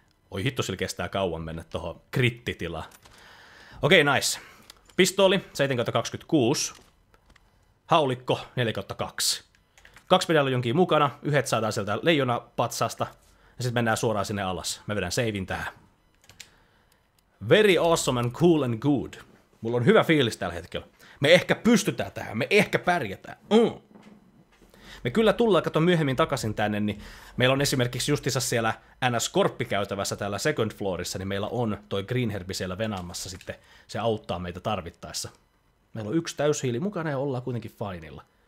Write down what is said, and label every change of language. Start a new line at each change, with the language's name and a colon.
Finnish: Oi hitto, sillä kestää kauan mennä tuohon krittitilaan.
English: Okei, okay, nice.
Finnish: Pistooli 7x26. Haulikko 4x2. Kaksi pedalla jonkin mukana. Yhdet saadaan sieltä leijonapatsasta. Ja sitten mennään suoraan sinne alas. Mä vedän savein tähän.
English: Very awesome and cool and good.
Finnish: Mulla on hyvä fiilis tällä hetkellä. Me ehkä pystytään tähän, me ehkä pärjätään. Me kyllä tullaan kato myöhemmin takaisin tänne, niin meillä on esimerkiksi justissa siellä NS-korppikäytävässä täällä second floorissa, niin meillä on toi green herbi siellä venaamassa sitten. Se auttaa meitä tarvittaessa. Meillä on yksi täyshiili mukana ja ollaan kuitenkin fineilla.